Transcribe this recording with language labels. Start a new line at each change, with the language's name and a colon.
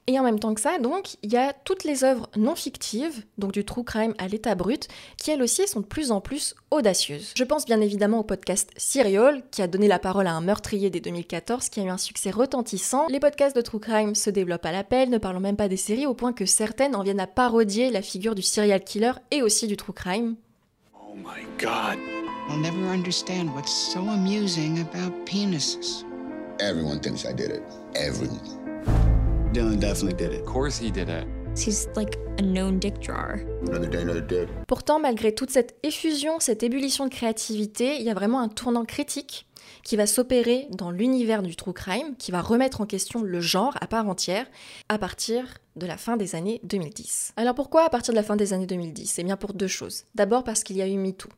French: Et en même temps que ça, donc, il y a toutes les œuvres non fictives, donc du true crime à l'état brut, qui elles aussi sont de plus en plus audacieuses. Je pense bien évidemment au podcast Serial, qui a donné la parole à un meurtrier dès 2014, qui a eu un succès retentissant. Les podcasts de true crime se développent à l'appel, ne parlons même pas des séries, au point que certaines en viennent à parodier la figure du serial killer et aussi du true crime.
English: Oh my god! I'll never understand what's so amusing about penises. Everyone thinks I did it. Everyone. Dylan definitely did it. Of course he did it. He's like a known dick drawer. Another day, another dick.
French: Pourtant, malgré toute cette effusion, cette ébullition de créativité, il y a vraiment un tournant critique qui va s'opérer dans l'univers du true crime, qui va remettre en question le genre à part entière, à partir de la fin des années 2010. Alors pourquoi à partir de la fin des années 2010? Eh bien pour deux choses. D'abord parce qu'il y a eu MeToo.